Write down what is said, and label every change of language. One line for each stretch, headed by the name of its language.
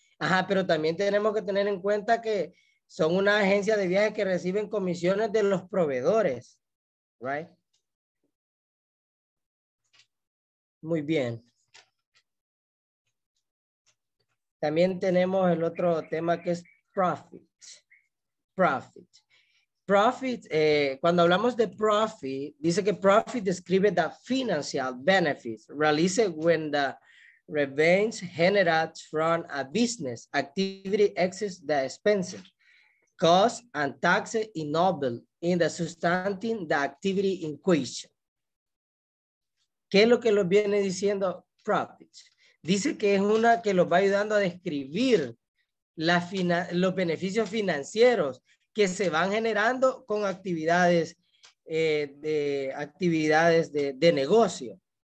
Spanish: Ajá, pero también tenemos que tener en cuenta que son una agencia de viaje que reciben comisiones de los proveedores, right? Muy bien. También tenemos el otro tema que es profit. Profit.
English: Profit,
Spanish: cuando hablamos de profit, dice que
English: profit describe the financial benefits realized when the revenue generated from a business activity exceeds the expenses, costs, and taxes involved in the sustaining the activity in question.
Spanish: ¿Qué es lo que lo viene diciendo profit? Dice que es una que los va ayudando a describir los beneficios financieros que se van generando con actividades de negocio.